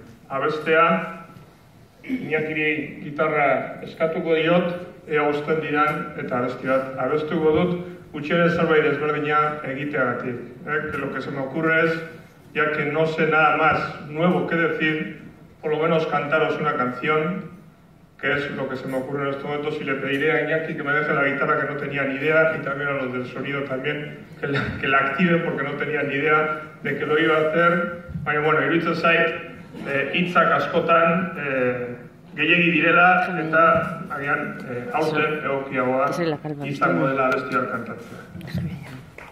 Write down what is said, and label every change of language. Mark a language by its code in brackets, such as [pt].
[eu] Abestea, Iñakiri gitarra eskatuko diot, ea usten diran, eta abesti bat abestuko dut, gutxien zerbait ezberdina egiteagatik. [es] Que lo que se me ocurre es, ya que no sé nada más nuevo que decir, por lo menos cantaros una canción, que es lo que se me ocurre en estos momentos, y le pediré a Iñaki que me deje la guitarra, que no tenía ni idea, y también a los del sonido también, que la active, porque no tenía ni idea de que lo iba a hacer. [eu] Bueno, iruditzen zait, hitzak askotan, gehiegi direla, eta agian, aurten, egokiagoa, izango dela abesti bat kantatzea.